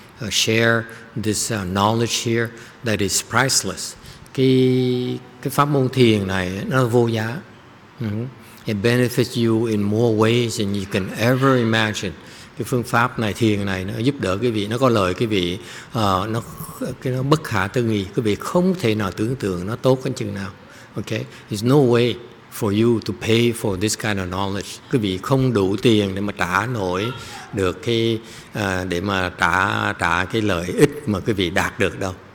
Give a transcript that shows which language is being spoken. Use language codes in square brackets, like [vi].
[en] Share this knowledge here that is priceless. [vi] Cái pháp môn thiền này nó vô giá. [en] It benefits you in more ways than you can ever imagine. [vi] Cái phương pháp này, thiền này, nó giúp đỡ quý vị, nó có lợi quý vị, nó bất khả tư nghi, quý vị không thể nào tưởng tượng nó tốt đến chừng nào. [en] Okay, there's no way for you to pay for this kind of knowledge. [vi] Quý vị không đủ tiền để mà trả nổi được cái để mà trả cái lợi ích mà quý vị đạt được đâu.